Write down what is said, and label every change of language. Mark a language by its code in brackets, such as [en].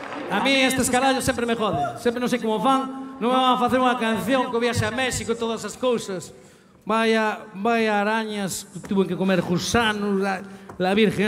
[gl] A mí estes carallos sempre me joden, sempre non sei como fan. Non me van a facer unha canción que viaxe a México e todas as cousas. [es] Vaya, vaya arañas, tuve que comer gusanos, la virgen.